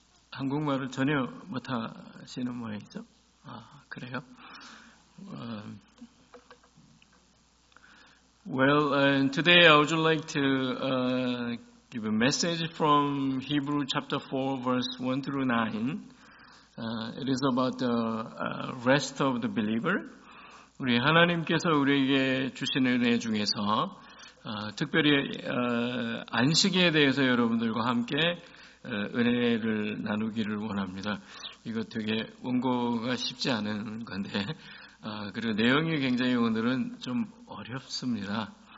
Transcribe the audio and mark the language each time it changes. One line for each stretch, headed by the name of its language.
Korean: 한국말을 전혀 못하시는 모양이죠? 아, 그래요?
English: Well, and today I would like to give a message from Hebrew chapter 4, verse 1 through 9. It is about the rest of the believer.
Korean: 우리 하나님께서 우리에게 주신 은혜 중에서 특별히 안식에 대해서 여러분들과 함께 은혜를 나누기를 원합니다. 이거 되게 원고가 쉽지 않은 건데 그리고 내용이 굉장히 오늘은 좀 어렵습니다.